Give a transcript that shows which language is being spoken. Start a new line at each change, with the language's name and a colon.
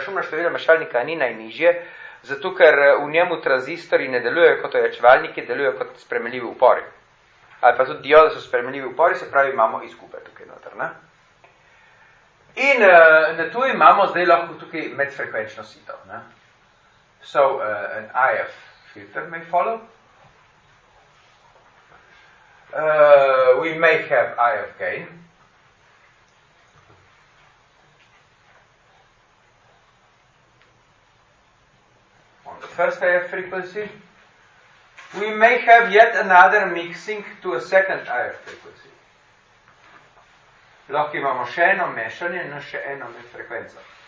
Slovenian: Šumno število mešalnika ni najnižje, zato ker v njemu tranzistori ne delujejo kot ojačevalniki, delujejo kot spremenljivi upori. Ali pa tudi diode so spremenljivi upori, se pravi, imamo izgube tukaj noter. Ne? In na to imamo zdaj lahko tukaj medfrekvenčno sito. Ne?
English: So, an IF filter may follow. We may have IF gain. On the first IF frequency. We may have yet another mixing to a second IF frequency.
Slovenian: Lahko imamo še eno mešanje na še eno med frekvenco.